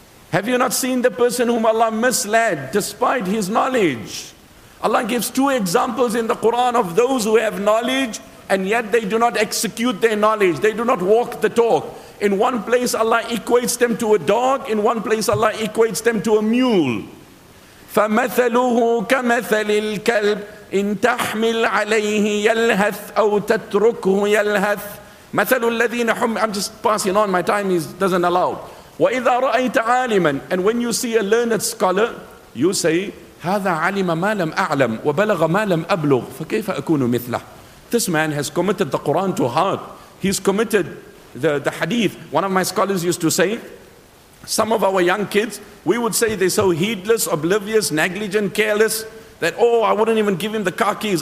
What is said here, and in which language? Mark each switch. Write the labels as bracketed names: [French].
[English] Have you not seen the person whom Allah misled despite his knowledge? Allah gives two examples in the Quran of those who have knowledge and yet they do not execute their knowledge. They do not walk the talk. In one place Allah equates them to a dog, in one place Allah equates them to a mule. [Arabic] فَمَثَلُهُ كَمَثَلِ الْكَلْبِ إِن تَحْمِلْ عَلَيْهِ يَلْهَثْ أَوْ تَتْرُكْهُ يَلْهَثْ مَثَلُ الَّذِينَ حُمْ [English] I'm just passing on, my time is doesn't allow. [Arabic] وَإِذَا رَأَيْتَ عَالِمًا [English] And when you see a learned scholar, you say, [Arabic] هَذَا عَلِمَ مَا لَمْ أَعْلَمْ وَبَلَغَ مَا لَمْ أَبْلُغْ فَكَيْفَ أَكُونُ مِثْلَهُ [English] This man has committed the Quran to heart. He's committed the hadith. One of my scholars used to say, some of our young kids, we would say they're so heedless, oblivious, negligent, careless, that, oh, I wouldn't even give him the car keys.